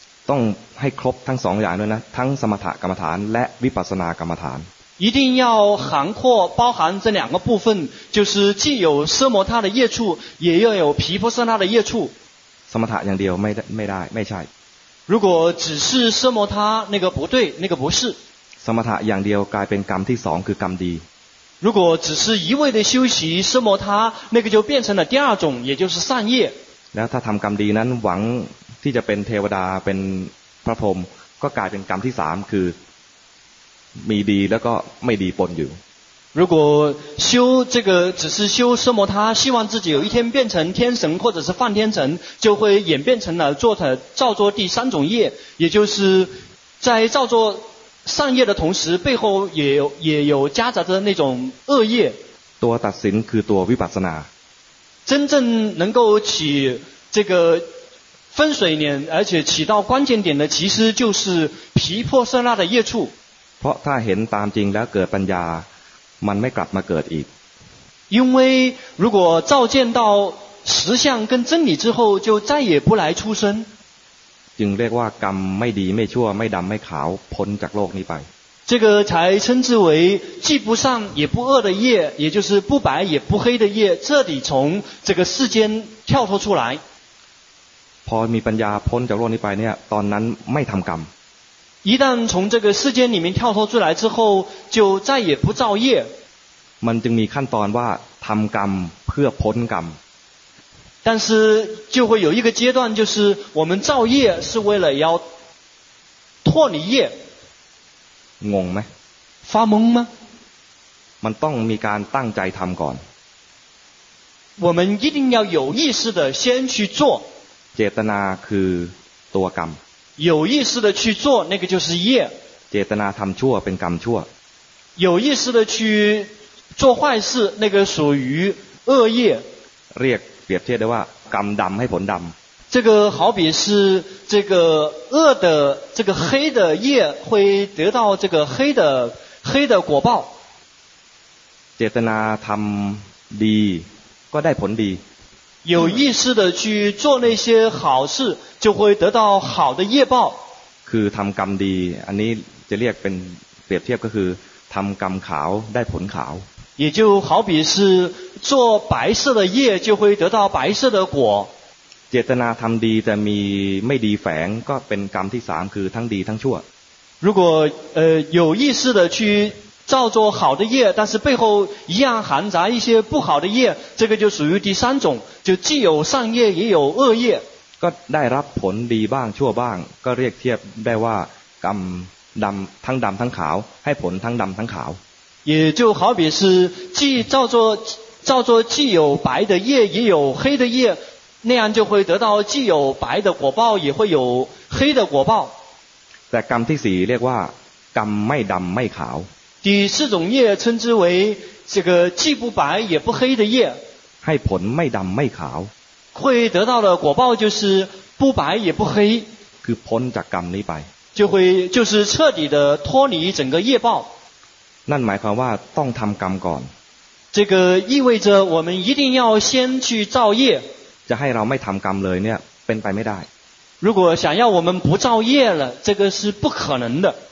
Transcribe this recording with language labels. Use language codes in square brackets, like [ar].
[th] ต้องให้ครบทั้งสองอย่างด้วยนะทั้งสมถกรรมฐานและวิปัสสนากรรมฐาน [zh] 一定要涵括包含这两个部分，就是既有奢摩他的业处，也要有毗婆舍那的业处。 [th] สมถะอย่างเดียวไม่ได้ไม่ใช่。 [zh] 如果只是奢摩他，那个不对，那个不是。 [th] สมถะอย่างเดียวกลายเป็นกรรมที่สองคือกรรมดี。 [zh] 如果只是一味的修习奢摩他，那个就变成了第二种，也就是善业。 [th] แล้วถ้าทำกรรมดีนั้นหวังที่จะเป็นเทวดาเป็นพระพรหมก็กลายเป็นกรรมที่สามคือมีดีแล้วก็ไม่ดีปนอยู่ [zh] 如果修这个只是修奢摩他希望自己有一天变成天神或者是梵天神就会演变成了做的造作第三种业也就是在造作善业的同时背后也有夹杂着那种恶业 [th] ตัวตัดสินคือตัววิปัสสนา [zh] 真正能够起这个分水岭而且起到关键点的其实就是毗婆舍那的业处 [th] เพราะถ้าเห็นตามจริงแล้วเกิดปัญญามันไม่กลับมาเกิดอีก [zh] 因为如果照见到实相跟真理之后就再也不来出生 [th] จึงเรียกว่ากรรมไม่ดีไม่ชั่วไม่ดำไม่ขาวพ้นจากโลกนี้ไป [zh] 这个才称之为既不善也不恶的业也就是不白也不黑的业彻底从这个世间跳脱出来 [th] พอมีปัญญาพ้นจากโลกนี้ไปเนี่ยตอนนั้นไม่ทำกรรม [zh] 一旦从这个世间里面跳脱出来之后就再也不造业 [th] มันจึงมีขั้นตอนว่าทำกรรมเพื่อพ้นกรรม [zh] 但是就会有一个阶段就是我们造业是为了要脱离业 [th] งงไหม [zh] 发懵吗 [th] มันต้องมีการตั้งใจทำก่อน [zh] 我们一定要有意识的先去做 [th] เจตนาคือตัวกรรม [zh] 有意识的去做那个就是业 [th] เจตนาทำชั่วเป็นกรรมชั่ว [zh] 有意识的去做坏事那个属于恶业 [th] เรียกเปรียบเทียบได้ว่ากรรมดำให้ผลดำ [zh] 这个好比是这个恶的这个黑的业会得到这个黑的果报 [th] เจตนาทำดีก็ได้ผลดี [zh] 有意识的去做那些好事就会得到好的业报 [th] คือทำกรรมดีอันนี้จะเรียกเป็นเปรียบเทียบก็คือทำกรรมขาวได้ผลขาว [zh] 也就好比是做白色的业就会得到白色的果 [th] เจตนาทำดีแต่มีไม่ดีแฝงก็เป็นกรรมที่สามคือทั้งดีทั้งชั่ว [zh] 如果有意识的去造作好的业但是背后一样含杂一些不好的业这个就属于第三种就既有善业也有恶业 [th] ก็ได้รับผลดีบ้างชั่วบ้างก็เรียกเทียบได้ว่ากรรมดำทั้งดำทั้งขาวให้ผลทั้งดำทั้งขาว [zh] 也就好比是既造作既有白的业也有黑的业那样就会得到既有白的果报也会有黑的果报 [th] แต่กรรมที่สี่เรียกว่ากรรมไม่ดำไม่ขาว [zh] 第四种业称之为这个既不白也不黑的业 [th] ให้ผลไม่ดำไม่ขาว [zh] 会得到的果报就是不白也不黑 [th] คือพ้นจากกรรมนี้ไป [zh] 就是彻底的脱离整个业报 [th] นั่นหมายความว่าต้องทำกรรมก่อน [zh] 这个意味着我们一定要先去造业。 [th] จะให้เราไม่ทำกรรมเลยเนี่ยเป็นไปไม่ได้。 [zh] 如果想要我们不造业了，这个是不可能的。